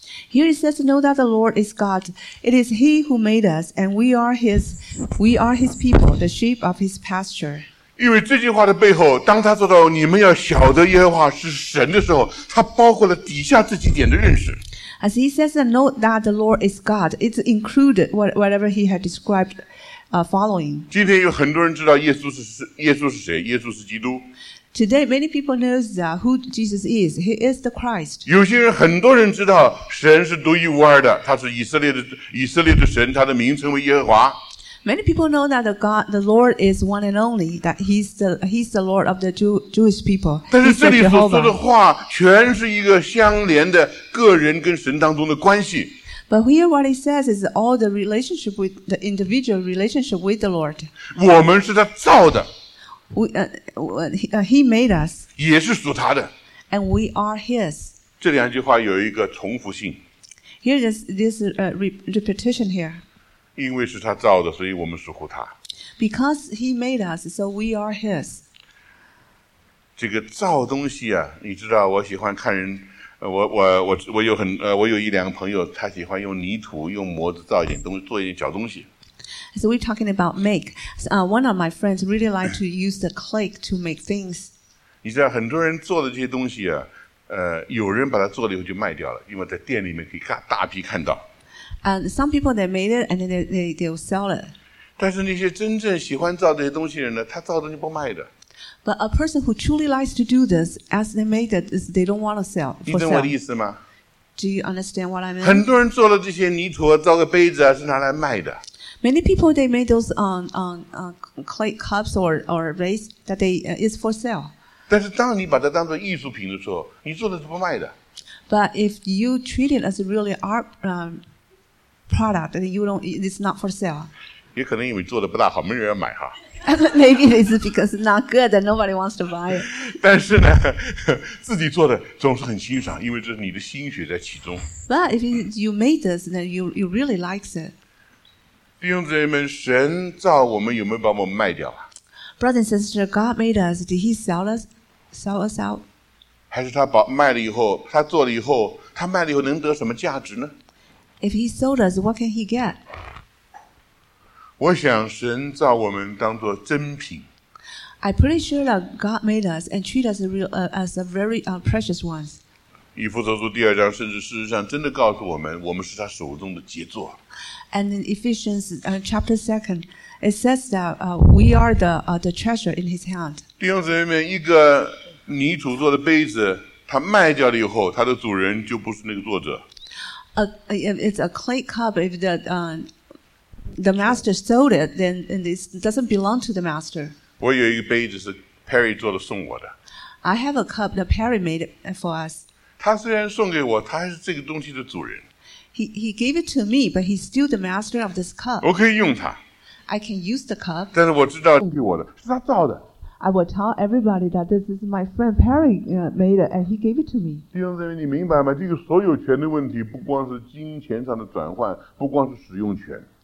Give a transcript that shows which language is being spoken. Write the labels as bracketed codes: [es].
[en] Here it says, know that the Lord is God. It is He who made us, and we are His people, the sheep of His pasture. [zh] 因为这句话的背后，当他做到你们要晓得耶和华是神的时候，他包括了底下这几点的认识。 [en] As he says, know that the Lord is God. It's included whatever he had described, following. [zh] 今天有很多人知道耶稣是谁？耶稣是基督。 [en] Today, many people know who Jesus is. He is the Christ. [zh] 有些人很多人知道神是独一无二的，他是以色列的神，他的名称为耶和华。 [en] Many people know that the Lord is one and only, that He's the Lord of the Jewish people. [zh] 但是这里所说的话全是一个相连的个人跟神当中的关系。 [en] But here what he says is all the relationship with the individual relationship with the Lord. [zh] 我们是他造的。 [en] He made us. [zh] 也是属他的。 [en] And we are His. [zh] 这两句话有一个重复性。 [en] Here is this repetition here. [zh] 因为是他造的，所以我们属乎他。 [en] Because he made us, so we are his. [zh] 这个造东西啊，你知道，我喜欢看人，我有很我有一两个朋友，他喜欢用泥土用模子造一点东西，做一点小东西。 [en] So we're talking about make. One of my friends really like to use the clay to make things. [zh] 你知道很多人做的这些东西啊，有人把它做了以后就卖掉了，因为在店里面可以大批看到。 [en] And some people they made it and then they'll sell it. [zh] 但是那些真正喜欢造这些东西的人呢，他造的东西不卖的。 [en] But a person who truly likes to do this, as they made it, they don't want to sell. [zh] 你懂我的意思吗？ [en] Do you understand what I mean? [zh] 很多人做了这些泥土造个杯子啊，是拿来卖的。 [en] Many people they made those clay cups or vase that they is for sale. [zh] 但是当你把它当做艺术品的时候，你做的是不卖的。 [en] But if you treat it as a really art product, then you don't. It's not for sale. [zh] 也可能因为做的不大好，没人要买哈。 [en] Maybe it's because it's not good and nobody wants to buy it. [zh] 但是呢，自己做的总是很欣赏，因为这是你的心血在其中。 [en] But if you made this, then you really likes it. [zh] 弟兄姊妹们，神造我们有没有把我们卖掉啊 [en] ？Brothers and sisters, God made us. Did He sell us out? [zh] 还是他把卖了以后，他做了以后，他卖了以后能得什么价值呢 [en] ？If He sold us, what can He get? [zh] 我想神造我们当作珍品。 [en] I'm pretty sure that God made us and treat us as a very precious ones. [zh] 以弗所书第二章，甚至事实上真的告诉我们，我们是他手中的杰作。 [en] And in Ephesians chapter 2, it says that we are the treasure in His hand. [zh] 弟兄姊妹们，一个泥土做的杯子，它卖掉了以后，它的主人就不是那个作者。 [en] It's a clay cup. If the master sold it, then it doesn't belong to the master. [zh] 我有一个杯子是 Perry 做的送我的。 [en] I have a cup that Perry made for us. [zh] 他虽然送给我，他还是这个东西的主人。 [en] He gave it to me, but he's still the master of this cup. [zh] 我可以用它。 [en] I can use the cup. [zh] 但是我知道送给我的是他造的。 [en] I will tell everybody that this is my friend Perry made it, and he gave it to me. [zh] 弟兄姊妹，你明白吗？这个所有权的问题，不光是金钱上的转换，不光是使用权。